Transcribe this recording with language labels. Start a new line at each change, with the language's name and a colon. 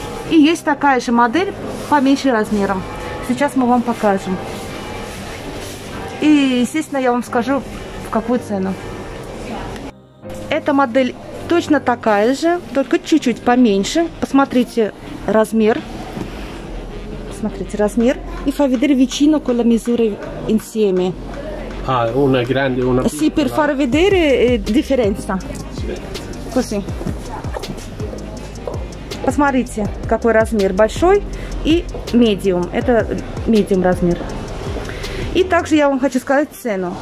Russian: И есть такая же модель, поменьше размером. Сейчас мы вам покажем. И, естественно, я вам скажу, в какую цену. Эта модель точно такая же, только чуть-чуть поменьше. Посмотрите размер. Посмотрите размер.
Italian: И far vedere vicino con la misura insieme. А, una grande, una piccola. Sì, per far vedere differenza. Così.
Russian: Посмотрите, какой размер. Большой и medium. Это medium размер. И также я вам хочу сказать цену.